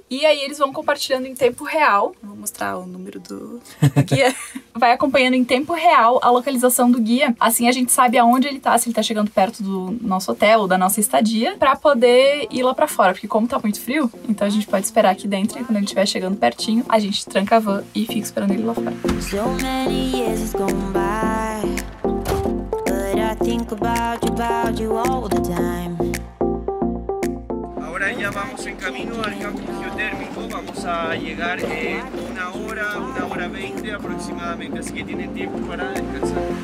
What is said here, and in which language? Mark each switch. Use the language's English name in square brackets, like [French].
[Portuguese] E aí eles vão compartilhando em tempo real. Vou mostrar o número do guia. Vai acompanhando em tempo real a localização do guia. Assim a gente sabe aonde ele tá, se ele tá chegando perto do nosso hotel ou da nossa estadia, pra poder ir lá pra fora, porque como tá muito frio, então a gente pode esperar aqui dentro e quando ele estiver chegando pertinho, a gente tranca a van e fica esperando ele lá fora. [English] So many years has gone by, but I think about you all the time. [Spanish] Ahora ya vamos en camino al campo geotérmico, vamos a llegar una hora veinte aproximadamente, así que tienen tiempo para descansar.